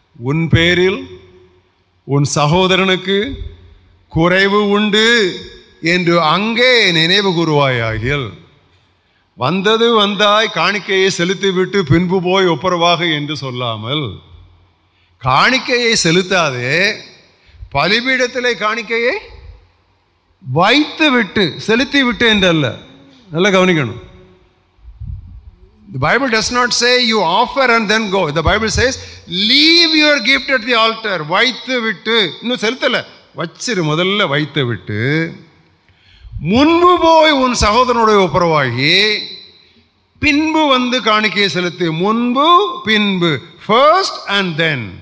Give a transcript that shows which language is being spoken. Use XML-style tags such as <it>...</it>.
<ta>உன் பேரில் உன் சகோதரனுக்கு குறைவு உண்டு என்று அங்கே நினைவு கூறுவாயாகில், வந்தது வந்தாய் காணிக்கையை செலுத்திவிட்டு பின்பு போய் ஒப்புரவாக என்று சொல்லாமல், காணிக்கையை செலுத்தாதே பலிபீடத்திலே காணிக்கையை வைத்து விட்டு செலுத்தி விட்டு என்றல்ல, நல்லா கவனிக்கணும்.</ta> <en>The Bible does not say you offer and then go. The Bible says leave your gift at the altar.</en> <ta>வைத்து விட்டு, இன்னும் செலுத்தல, வச்சிரு, முதல்ல வைத்து விட்டு முன்பு போய் உன் சகோதரனுடைய ஒப்புரவாகி பின்பு வந்து காணிக்கையை செலுத்து. முன்பு பின்பு,</ta> <en>first and then.</en>